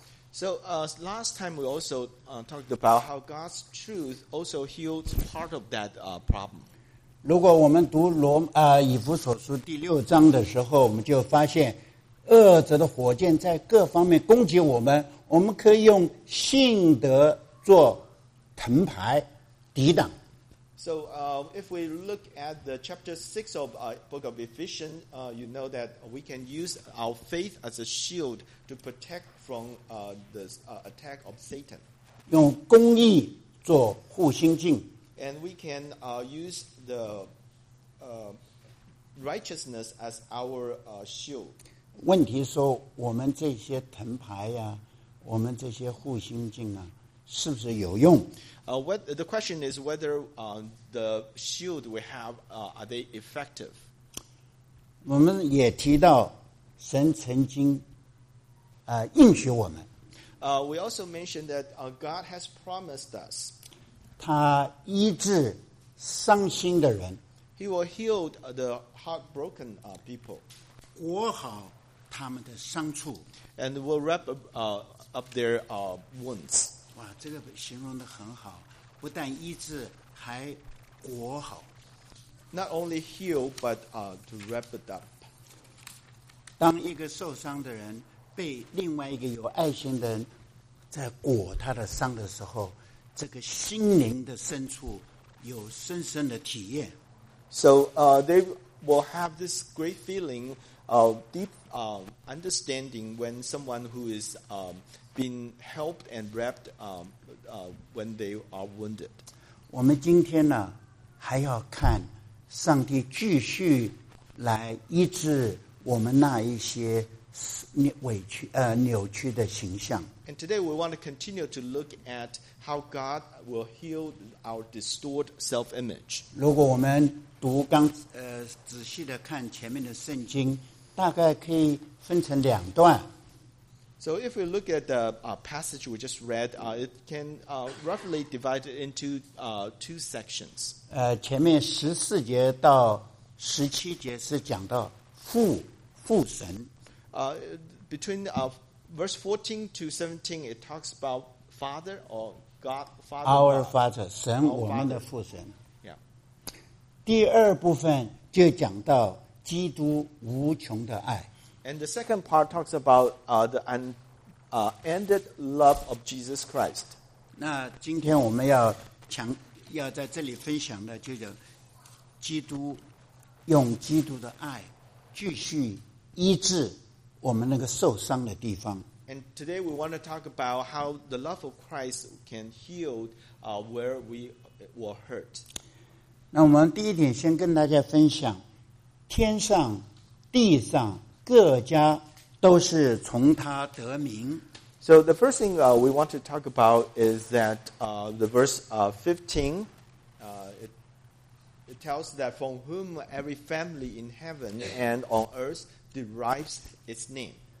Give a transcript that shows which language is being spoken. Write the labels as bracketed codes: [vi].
[en] So last time we also talked about how God's truth also heals part of that problem. [zh] 如果我们读以弗所书第六章的时候，我们就发现恶者的火箭在各方面攻击我们，我们可以用信德做藤牌抵挡。 [en] So if we look at the chapter 6 of book of Ephesians, you know that we can use our faith as a shield to protect from the attack of Satan. [zh] 用公义做护心镜。 [en] And we can use the righteousness as our shield. [zh] 问题说我们这些藤牌呀，我们这些护心镜啊，是不是有用？ [en] The question is whether the shield we have are they effective? [zh] 我们也提到神曾经应许我们。 [en] We also mentioned that God has promised us. [zh] 他医治伤心的人。 [en] He will heal the heartbroken people. [zh] 裹好他们的伤处。 [en] And will wrap up their wounds. [zh] 哇，这个形容得很好，不但医治，还裹好。 [en] Not only heal, but to wrap it up. [zh] 当一个受伤的人被另外一个有爱心的人在裹他的伤的时候，这个心灵的深处有深深的体验。 [en] So, they will have this great feeling of deep understanding when someone who is being helped and wrapped when they are wounded. [zh] 我们今天呢，还要看上帝继续来医治我们那一些委屈扭曲的形象。 [en] And today we want to continue to look at how God will heal our distorted self-image. [zh] 如果我们读刚仔细的看前面的圣经，大概可以分成两段。 [en] So if we look at the passage we just read, it can roughly divide it into two sections. [zh] 前面十四节到十七节是讲到父神。 [en] Between verse 14 to 17, it talks about Father or God, Father. Our Father, [zh] 神，我们的父神。 [en] Yeah. [zh] 第二部分就讲到基督无穷的爱。 [en] And the second part talks about the unended love of Jesus Christ. [zh] 那今天我们要在这里分享的就是基督用基督的爱继续医治我们那个受伤的地方。 [en] And today we want to talk about how the love of Christ can heal where we were hurt. [zh] 那我们第一点先跟大家分享，天上、地上各家都是从他得名。 [en] So the first thing we want to talk about is that the verse 15, it tells that from whom every family in heaven and on earth derives its name.